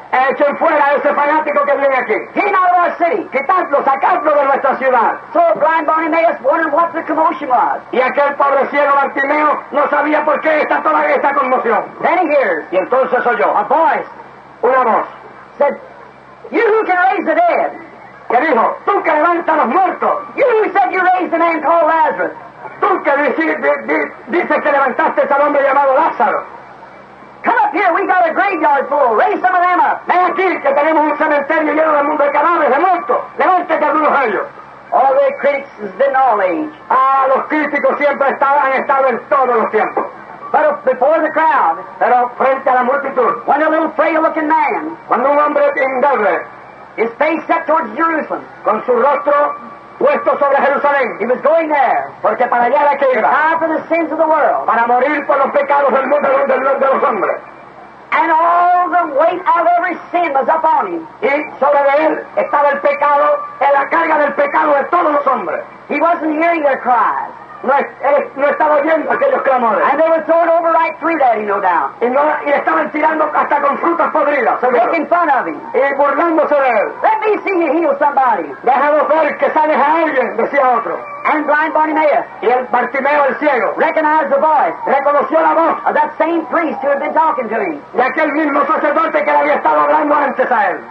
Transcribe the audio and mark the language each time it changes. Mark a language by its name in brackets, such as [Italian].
[Spanish] Echen fuera ese fanático que viene aquí. [English] Get out of our city! [Spanish] Quitadlo, sacadlo de nuestra ciudad. [English] So blind Bartimaeus wondered what the commotion was. [Spanish] Y aquel pobre ciego Bartimeo no sabía por qué está toda esta conmoción. [English] Then he hears, [Spanish] y entonces oyó, [English] a voice, [Spanish] una voz, [English] said, you who can raise the dead. [Spanish] Que dijo, tú que levantas los muertos. [English] You who said you raised a man called Lazarus. [Spanish] Tú que dices que levantaste al hombre llamado Lázaro. [English] Come up here, we got a graveyard full. Raise some of them up. [Spanish] Ven aquí, que tenemos un cementerio lleno del mundo de cadáveres de muertos. Levántate algunos de ellos. [English] All the critics has been all age. [Spanish] Ah, los críticos siempre han estado en todos los tiempos. [English] But before the crowd, [Spanish] pero frente a la multitud, [English] when a little frail-looking man, [Spanish] cuando un hombre endeble, [English] his face set towards Jerusalem, [Spanish] con su rostro puesto sobre Jerusalén, [English] he was going there, [Spanish] porque para allá era que iba, [English] to die for the sins of the world, [Spanish] para morir por los pecados del mundo de los hombres, [English] and all the weight of every sin was upon him, [Spanish] y sobre él estaba el pecado, en la carga del pecado de todos los hombres. [English] He wasn't hearing their cries. [Spanish] No estaba oyendo aquellos clamores. [English] And they were throwing over right through that, you know, down. [Spanish] Y estaban tirando hasta con frutas podridas. [English] Making fun of him. [Spanish] Y burlándose de él. [English] Let me see you heal somebody. [Spanish] Déjalos ver que sanes a alguien, decía otro. [English] And blind Bartimaeus. [Spanish] Y el Bartimeo, el ciego. [English] Recognized the voice. [Spanish] Reconoció la voz. [English] Of that same priest who had been talking to him. [Spanish] De aquel mismo sacerdote que le había estado hablando antes a él.